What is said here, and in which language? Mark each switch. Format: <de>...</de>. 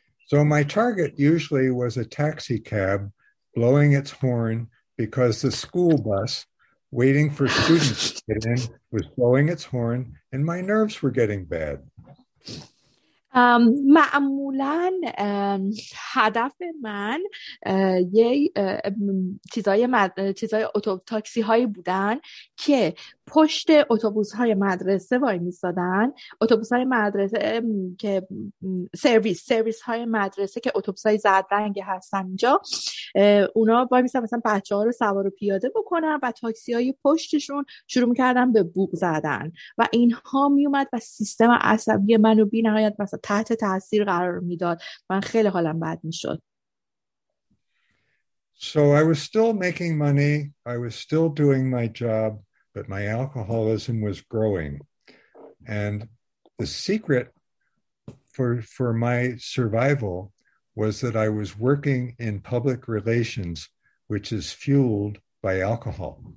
<en>So my target usually was a taxi cab blowing its horn because the school bus waiting for students to get in was blowing its horn and my nerves were getting bad.</en> <fa>معمولاً هدف من یه چیزای تاکسی هایی بودن که پشت اتوبوس های مدرسه وای میستادن، اتوبوس های مدرسه که سرویس های مدرسه که اتوبوس های زرد رنگی هستن اینجا، اونا وای میستن مثلا بچه ها رو سوار و پیاده بکنن و تاکسی های پشتشون شروع میکردن به بوق زدن و اینها میومد و سیستم عصبی منو بی نهایت مثلا تحت تاثیر قرار میداد، من خیلی حالم بد میشد.</fa> <en>So I was still making money, I was still doing my job, but my alcoholism was growing. And the secret for my survival was that I was working in public relations, which is fueled by alcohol.</en>